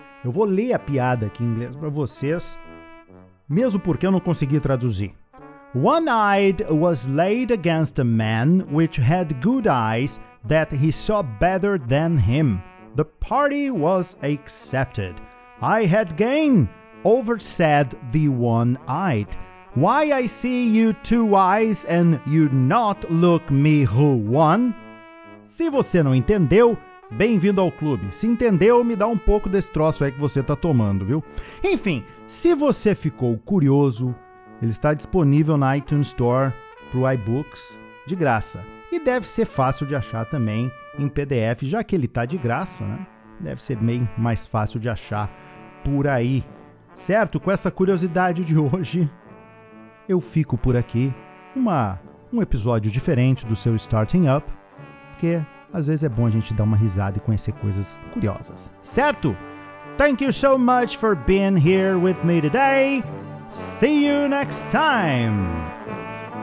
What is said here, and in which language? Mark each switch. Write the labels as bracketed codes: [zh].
[pt] Eu vou ler a piada aqui em inglês para vocês, mesmo porque eu não consegui traduzir. [en] One-eyed was laid against a man which had good eyes that he saw better than him. The party was accepted. I had gain, oversaid the one-eyed. Why I see you two eyes and you not look me who won? [pt] Se você não entendeu, bem-vindo ao clube. Se entendeu, me dá um pouco desse troço aí que você tá tomando, viu? Enfim, se você ficou curioso, ele está disponível na iTunes Store para o iBooks de graça. E deve ser fácil de achar também em PDF, já que ele está de graça, né? Deve ser bem mais fácil de achar por aí. Certo? Com essa curiosidade de hoje, eu fico por aqui. Um episódio diferente do seu Starting Up, porque às vezes é bom a gente dar uma risada e conhecer coisas curiosas. Certo? [en] Thank you so much for being here with me today. See you next time!